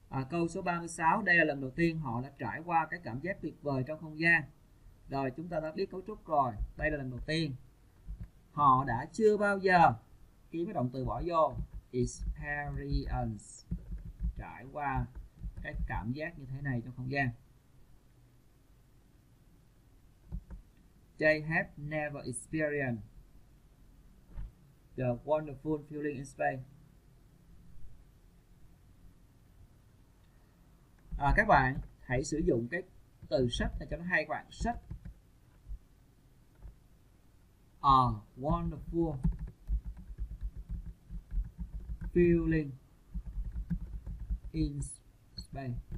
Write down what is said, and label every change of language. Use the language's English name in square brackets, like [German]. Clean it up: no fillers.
[Vietnamese] Câu số 36, đây là lần đầu tiên họ đã trải qua cái cảm giác tuyệt vời trong không gian. Rồi, chúng ta đã biết cấu trúc rồi, đây là lần đầu tiên. Họ đã chưa bao giờ, kiếm cái động từ bỏ vô, experience, trải qua cái cảm giác như thế này trong không gian. [English] They have never experienced the wonderful feeling in space. [Vietnamese] Các bạn hãy sử dụng cái từ sách để cho nó hay các bạn. Sách. [English] A wonderful feeling in space.